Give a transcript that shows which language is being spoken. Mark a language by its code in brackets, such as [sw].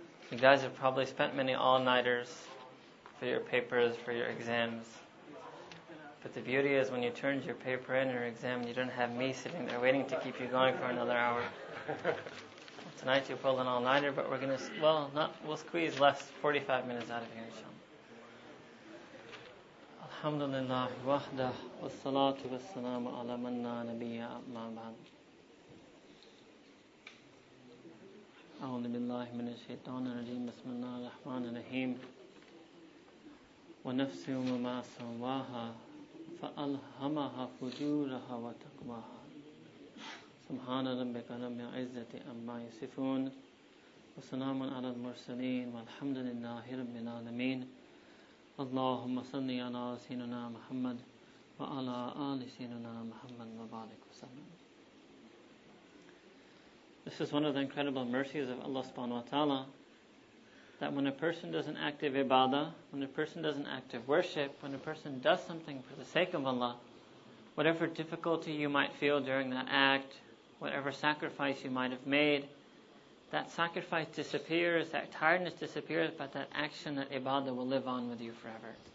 [en] You guys have probably spent many all-nighters for your papers, for your exams. But the beauty is when you turned your paper in your exam, you didn't have me sitting there waiting to keep you going for another hour. Well, tonight you pulled an all-nighter, but we're going to, we'll squeeze less 45 minutes out of here, inshallah. [ar] الحمد لله وحده والصلاة والسلام على من لا نبي أما بعد أعوذ بالله من الشيطان الرجيم بسم الله الرحمن الرحيم ونفس وما سواها فألهمها فجورها وتقواها سبحان ربك رب العزة أما يصفون وسلام على المرسلين والحمد لله رب العالمين اللهم صل على سيدنا محمد وعلى آل سيدنا محمد وبارك وسلم. [en] This is one of the incredible mercies of Allah subhanahu wa ta'ala, that when a person does an act of ibadah, when a person does an act of worship, when a person does something for the sake of Allah, whatever difficulty you might feel during that act, whatever sacrifice you might have made, that sacrifice disappears, that tiredness disappears, but that action, that ibadah, will live on with you forever.